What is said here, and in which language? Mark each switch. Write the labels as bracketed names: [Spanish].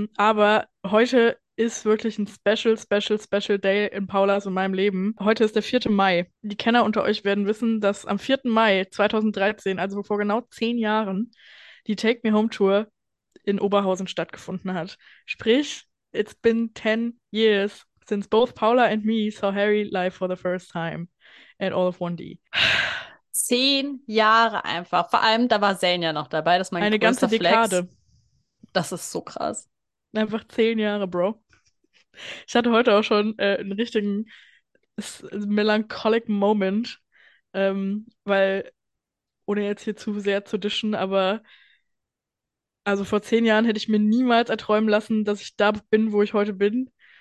[German] Aber heute ist wirklich ein [English] special, special, special Day [German] in Paulas und meinem Leben. Heute ist der 4. Mai. Die Kenner unter euch werden wissen, dass am 4. Mai 2013, also vor genau 10 Jahren, die Take Me Home Tour in Oberhausen stattgefunden hat. Sprich, [English] it's been 10 years since both Paula and me saw Harry live for the first time at All of 1D. [German] 10 Jahre einfach. Vor allem, da war Zayn ja noch dabei, das ist mein Eine ganze größter Flex. Dekade. Das ist so krass. Einfach 10 Jahre, Bro. Ich hatte heute auch schon einen richtigen melancholic Moment, weil, ohne jetzt hier zu sehr zu dischen, aber also vor 10 Jahren hätte ich mir niemals erträumen lassen, dass ich da bin, wo ich heute bin.